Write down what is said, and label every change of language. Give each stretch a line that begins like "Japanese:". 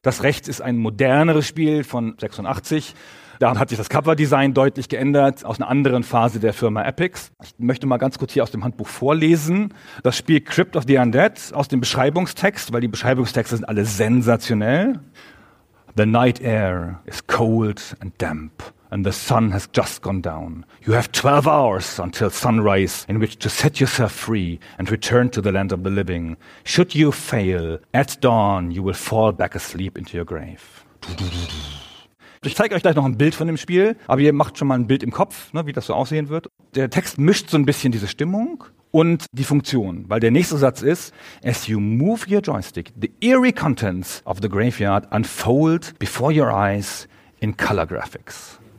German: Das rechts ist ein moderneres Spiel von 86. Da hat sich das Cover-Design deutlich geändert aus einer anderen Phase der Firma Epix. Ich möchte mal ganz kurz hier aus dem Handbuch vorlesen. Das Spiel Crypt of the Undead aus dem Beschreibungstext, weil die Beschreibungstexte sind alle sensationell.
English: The night air is cold and damp and the sun has just gone down. You have 12 hours until sunrise in which to set yourself free and return to the land of the living. Should you fail, at dawn you will fall back asleep into your grave.
German: Ich zeige euch gleich noch ein Bild von dem Spiel, aber ihr macht schon mal ein Bild im Kopf, ne, wie das so aussehen wird. Der Text mischt so ein bisschen diese Stimmung und die Funktion, weil der nächste Satz ist,
English: as you move your joystick, the eerie contents of the graveyard unfold before your eyes in color graphics.